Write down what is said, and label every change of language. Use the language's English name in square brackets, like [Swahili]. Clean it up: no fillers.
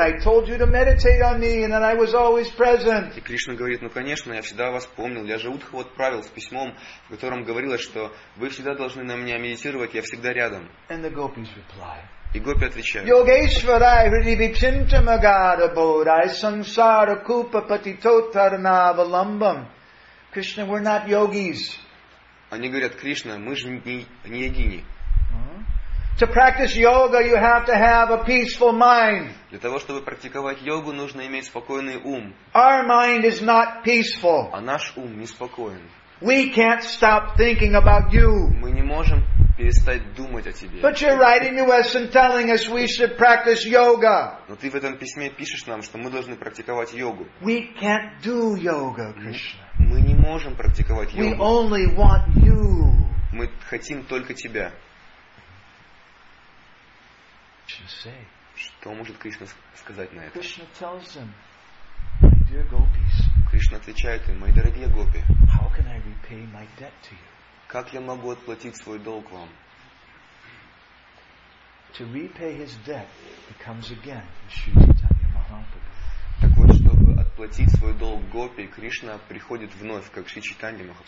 [English] I told you to meditate on me and that I was always present. [Russian] И Кришна говорит, ну конечно, я всегда вас помнил. Я же Уддхаву отправил с письмом, в котором говорилось, что вы всегда должны на меня медитировать, я всегда рядом. [English] And the gopis reply. [Russian] И гопи отвечают. [Sanskrit] Йогешварай хридибичинтамагада бодхай сансара купа патитотарнавалламбам. [English] Krishna, we're not yogis. [Russian] Они говорят, Кришна, мы же не йогини. [English] To practice yoga, you have to have a peaceful mind. [Russian] Для того, чтобы практиковать йогу, нужно иметь спокойный ум. [English] Our mind is not peaceful. [Russian] А наш ум неспокоен. [English] We can't stop thinking about you. [Russian] Мы не можем перестать думать о тебе. [English] But you're writing to us and telling us we should practice yoga. [Russian] Но ты в этом письме пишешь нам, что мы должны практиковать йогу. [English] We can't do yoga, Krishna. [Russian] Мы не можем практиковать йогу. [English] We only want you. [Russian] Мы хотим только тебя. Что может Кришна сказать на это? [English] Krishna tells them, my dear gopis. [Russian] Кришна отвечает им, мои дорогие гопи. [English] How can I repay my debt to you? [Russian] Как я могу отплатить свой долг вам? [English] To repay his debt becomes again Sri Chaitanya Mahaprabhu. [Russian] Так вот, чтобы отплатить свой долг гопи, Кришна приходит вновь, как Шри Чайтанья Махапрабху.